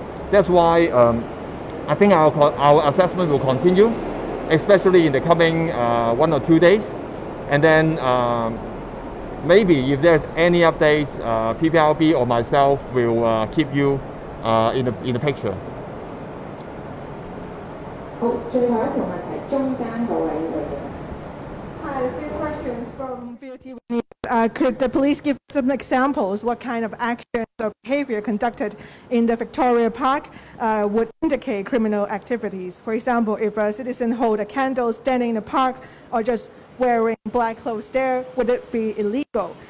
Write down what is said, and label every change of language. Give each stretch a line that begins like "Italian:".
English: That's why I think our assessment will continue, especially in the coming 1 or 2 days. And then maybe if there's any updates, PPLB or myself will keep you in the picture.
Cantonese: 好，最後一條問題，中間嗰位女士。
English: Could the police give some examples what kind of actions or behavior conducted in the Victoria Park would indicate criminal activities? For example, if a citizen hold a candle standing in the park or just wearing black clothes there, would it be illegal?